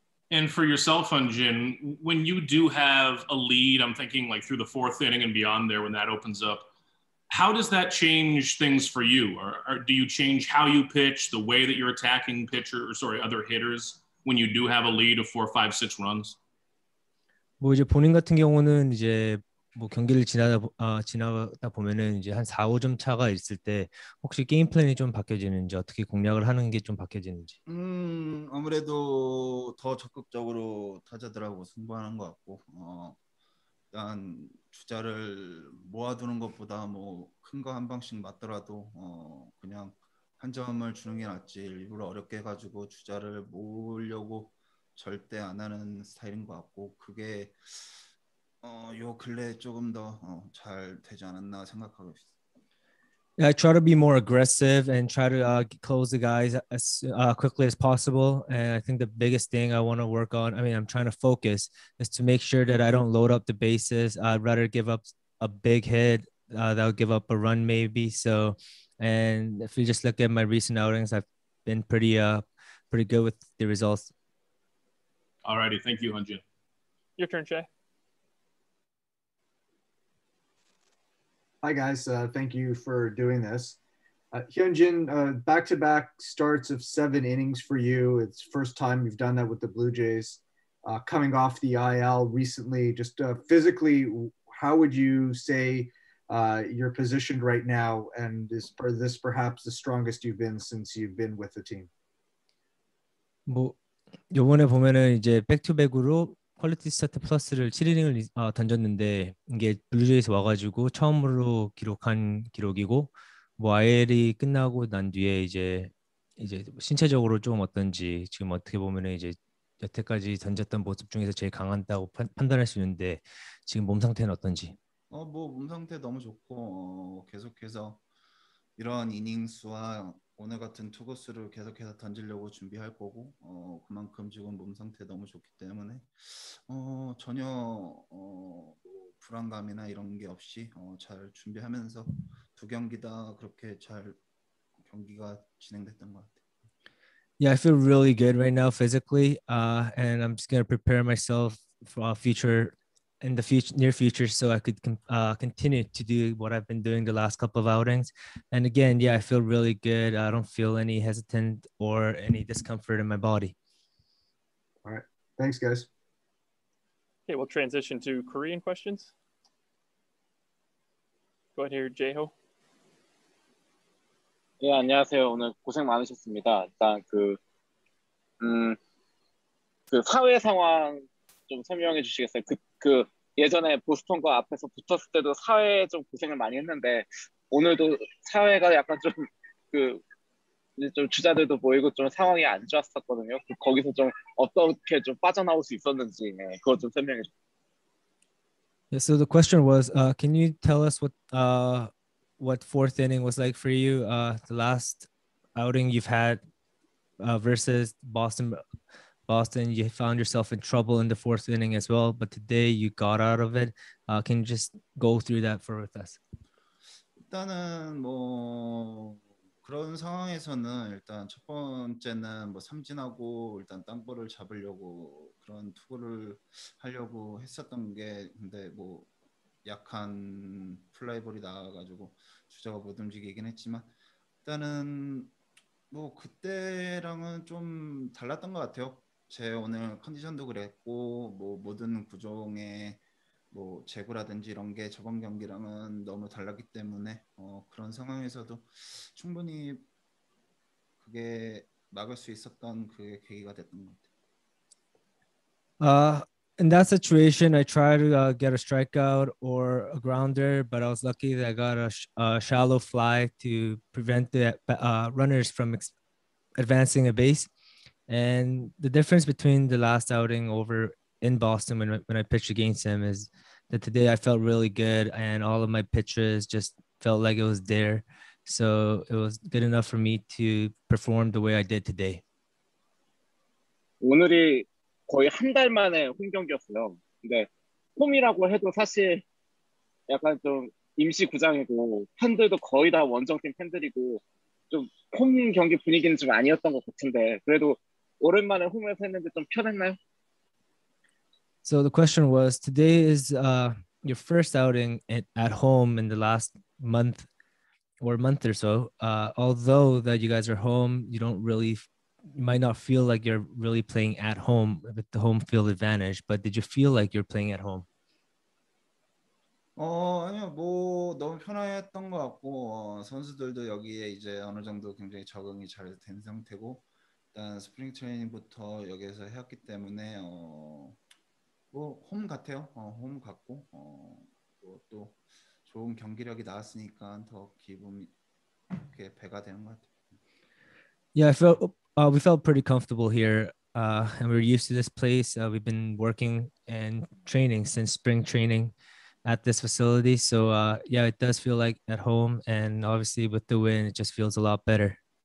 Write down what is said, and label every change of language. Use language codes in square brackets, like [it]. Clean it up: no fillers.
[en] And for yourself, Hunjin, when you do have a lead, I'm thinking like through the fourth inning and beyond there, when that opens up, how does that change things for you? Or do you change how you pitch, the way that you're attacking pitcher, or sorry, other hitters when you do have a lead of 4, 5, 6 runs? [ko] 뭐 이제 본인 같은 경우는 이제 뭐 경기를 지나다 보면은 이제 한 4, 5점 차가 있을 때 혹시 게임 플랜이 좀 바뀌어지는지 어떻게 공략을 하는 게 좀 바뀌어지는지. 아무래도 더 적극적으로 타자들하고 승부하는 것 같고 일단 주자를 모아두는 것보다 뭐 큰 거 한 방씩 맞더라도 그냥 한 점을 주는 게 낫지 일부러 어렵게 해가지고 주자를 모으려고 절대 안 하는 스타일인 것 같고 그게 요 근래 조금 더 잘 되지 않았나 생각하고 있어. [en] I try to be more aggressive and try to close the guys as quickly as possible. And I think the biggest thing I want to work on, I mean, I'm trying to focus, is to make sure that I don't load up the bases. I'd rather give up a big hit. That'll give up a run maybe. So, and if you just look at my recent outings, I've been pretty good with the results. All righty. Thank you, Hunjin. Your turn, Shay. Hi, guys. Thank you for doing this. Hyunjin, back-to-back starts of 7 innings for you. It's first time you've done that with the Blue Jays. Coming off the IL recently, just physically, how would you say you're positioned right now? And is this perhaps the strongest you've been since you've been with the team? [ko] Well, 이번에 보면은 이제 back-to-back으로 퀄리티 스타트 플러스를 7이닝을 던졌는데 이게 블루제이에서 와가지고 처음으로 기록한 기록이고 뭐 IL이 끝나고 난 뒤에 이제 신체적으로 좀 어떤지 지금 어떻게 보면은 이제 여태까지 던졌던 모습 중에서 제일 강한다고 판단할 수 있는데 지금 몸 상태는 어떤지? 뭐 몸 상태 너무 좋고 계속해서 이런 이닝 수와 오늘 같은 투구 수를 계속해서 던지려고 준비할 거고 그만큼 지금 몸 상태 너무 좋기 때문에 전혀 불안감이나 이런 게 없이 잘 준비하면서 두 경기 다 그렇게 잘 경기가 진행됐던 것 같아요. [en] Yeah, I feel really good right now physically, and I'm just gonna prepare myself for near future, so I could continue to do what I've been doing the last couple of outings. And again, yeah, I feel really good. I don't feel any hesitant or any discomfort in my body. All right. Thanks, guys. Okay, we'll transition to Korean questions. Go ahead here, Jae-ho. [ko] 네, 안녕하세요. 오늘 고생 많으셨습니다. 일단 그 사회 상황 좀 설명해 주시겠어요? 그 예전에 보스턴과 앞에서 붙었을 때도 사회에 좀 고생을 많이 했는데 오늘도 사회가 약간 좀 그 이제 좀 주자들도 보이고 좀 상황이 안 좋았었거든요. 거기서 좀 어떻게 좀 빠져나올 수 있었는지 그거 좀 설명해 주세요. [en] So the question was, can you tell us what fourth inning was like for you? The last outing you've had versus Boston. Boston, you found yourself in trouble in the fourth inning as well, but today you got out of it. Can you just go through that for with us? [ko] 일단은 뭐 그런 상황에서는 일단 첫 번째는 뭐 삼진하고 일단 땅볼을 잡으려고 그런 투구를 하려고 했었던 게 근데 뭐 약한 플라이볼이 나와가지고 주자가 못 움직이긴 했지만 일단은 뭐 그때랑은 좀 달랐던 것 같아요. 제 오늘 컨디션도 그랬고 뭐 모든 구종의 뭐 제구라든지 이런 게 저번 경기랑은 너무 달랐기 때문에 그런 상황에서도 충분히 그게 막을 수 있었던 그게 계기가 됐던 것 같아요. [en] In that situation, I tried to get a strikeout or a grounder, but I was lucky that I got a shallow fly to prevent the runners from advancing a base. And the difference between the last outing over in Boston when I pitched against him is that today I felt really good and all of my pitches just felt like it was there. So it was good enough for me to perform the way I did today. [ko] 오늘이 거의 한 달 만에 홈 경기였어요. 근데 홈이라고 해도 사실 약간 좀 임시 구장이고 팬들도 거의 다 원정팀 팬들이고 좀 홈 경기 분위기는 좀 아니었던 것 같은데 그래도 오랜만에 홈에서 했는데 좀 편했나요? [en] So the question was, today is your first outing at home in the last month or month or so. Although that you guys are home, you don't really, you might not feel like you're really playing at home with the home field advantage, but did you feel like you're playing at home? [ko] 아니요, 뭐 너무 편했던 것 같고 선수들도 여기에 이제 어느 정도 굉장히 적응이 잘 된 상태고 일단 스프링 트레이닝부터 여기에서 해왔기 때문에 뭐 홈 같아요. 홈 같고 또 좋은 경기력이 나왔으니까 더 기분이 이렇게 배가 되는 것 같아요. [en] Yeah, I felt we felt pretty comfortable here, and we're used to this place. We've been working and training since spring training at this facility. So yeah, it does feel like at home, and obviously with the win, it just feels a lot better.